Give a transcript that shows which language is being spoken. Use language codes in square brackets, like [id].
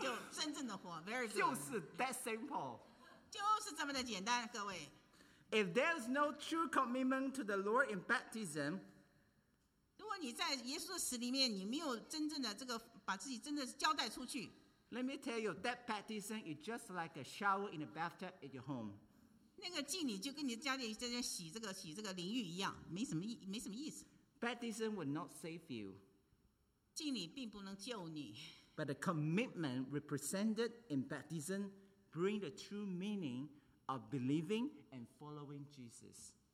[zh] 请原谅我哈，让我说一个用中文来说。假假的死，你就假假的活。太好了。你真正的死，你才真正的活。你假假的死，你就假假的活。你真正的死，你就真正的活。 [en] Very good. [zh] 就是这么的简单，各位。 [en] If there is no true commitment to the Lord in baptism, [zh] 如果你在耶稣的死里面，你没有真正的这个把自己真的交代出去。 [en] Let me tell you, that baptism is just like a shower in a bathtub at your home. [zh] 那个敬礼就跟你家里在这洗这个淋浴一样，没什么意思。 [en] Baptism will not save you. [zh] 敬礼并不能救你。 [en] But the commitment represented in baptism brings the true meaning of believing and following Jesus.